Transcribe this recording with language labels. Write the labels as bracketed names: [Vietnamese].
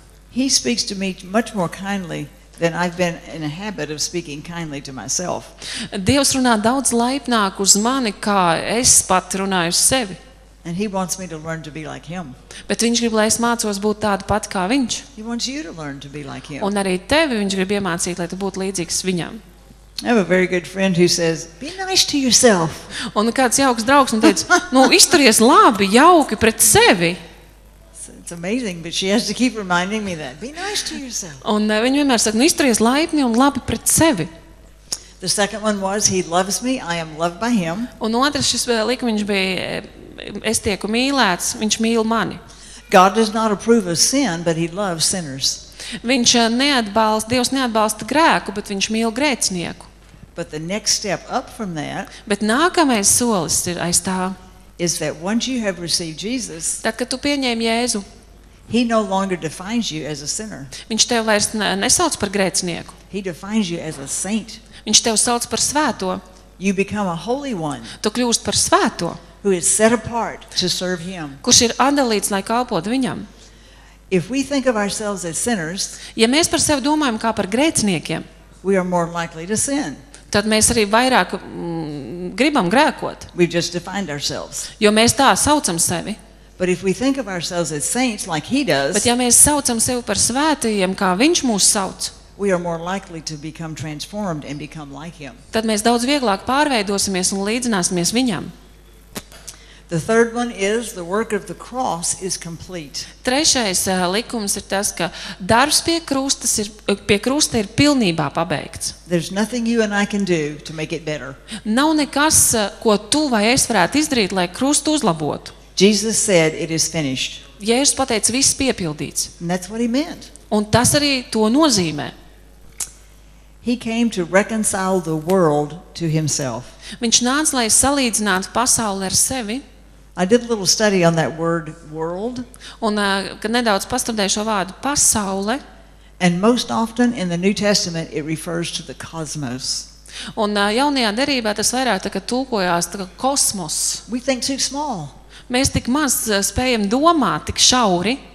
[English] He speaks to me much more kindly than I've been in a habit of speaking kindly to myself. [Latvian] Dievs runā daudz laipnāk uz mani, kā es pat runāju uz sevi. [English] And he wants me to learn to be like him. [Latvian] Bet viņš grib, lai es mācos būt tādu pat kā viņš. [English] He wants you to learn to be like him. [Latvian] Un arī tevi viņš grib iemācīt, lai tu būtu līdzīgs viņam. [English] I have a very good friend who says, "Be nice to yourself." [Latvian] Un kāds jauks draugs man teica, "Nu, izturies labi, jauki pret sevi." [English] It's amazing, but she has to keep reminding me that. Be nice to yourself. [Latvian] Un viņa vienmēr saka, nu, izturies laipni un labi pret sevi. [English] The second one was, he loves me, I am loved by him. [Latvian] Un otrs šis likumiņš bija, es tieku mīlēts, viņš mīl mani. [English] God does not approve of sin, but he loves sinners. [Latvian] Viņš neatbalsta, Dievs neatbalsta grēku, bet viņš mīl grēcinieku. [English] But the next step up from that, [Latvian] bet nākamais solis ir aiz tā, [English] is that once you have received Jesus, [Latvian] tad, kad tu pieņēmi Jēzu, [English] he no longer defines you as a sinner. [Latvian] Viņš tevi vairs nesauc par grēcinieku. [English] He defines you as a saint. [Latvian] Viņš tevi sauc par svēto. [English] You become a holy one. [Latvian] Tu kļūst par svēto. [English] Who is set apart to serve him. [Latvian] Kurš ir atdalīts, lai kalpot viņam. [English] If we think of ourselves as sinners, [Latvian] ja mēs par sevi domājam kā par grēciniekiem, [English] we are more likely to sin. [Latvian] Tad mēs arī vairāk gribam grēkot. [English] We've just defined ourselves. [Latvian] Jo mēs tā saucam sevi. [English] But if we think of ourselves as saints like he does, [Latvian] bet ja mēs saucam sevi par svētajiem, kā viņš mūs sauc, [English] we are more likely to become transformed and become like him. [Latvian] Tad mēs daudz vieglāk pārveidosimies un līdzināsimies viņam. [English] The third one is the work of the cross is complete. [Latvian] Trešais likums ir tas, ka darbs pie krusta ir pilnībā pabeigts. [English] There's nothing you and I can do to make it better. [Latvian] Nav nekas, ko tu vai es varētu izdarīt, lai krustu uzlabotu. [English] Jesus said it is finished. [Latvian] Jēzus pateica, viss piepildīts. [English] And that's what he meant. [Latvian] Un tas arī to nozīmē. [English] He came to reconcile the world to himself. [Latvian] Viņš nāca, lai salīdzinātu pasauli ar sevi. [English] I did a little study on that word world. [Latvian] Un kad nedaudz pastudēju šo vārdu pasaule. [English] And most often in the New Testament it refers to the cosmos. [Latvian] Un jaunajā derībā tas vairāk tā kā tulkojās tā kā kosmos. [English] We think too small. [Latvian] Mēs tik maz spējam domāt, tik šauri.